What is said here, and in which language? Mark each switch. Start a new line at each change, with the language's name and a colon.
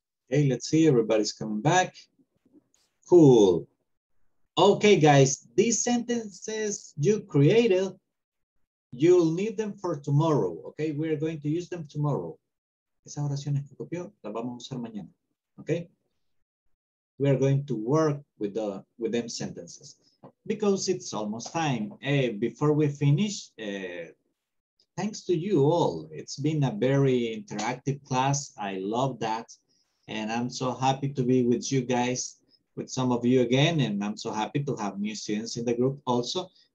English: Okay, let's see. Everybody's coming back. Cool. Okay, guys, these sentences you created, you'll need them for tomorrow. Okay, we're going to use them tomorrow.
Spanish: Esas oraciones que copió, las vamos a usar mañana.
English: Okay, we're going to work with them sentences because it's almost time. Hey, before we finish, thanks to you all. It's been a very interactive class. I love that. And I'm so happy to be with you guys. With some of you again, and I'm so happy to have new students in the group also.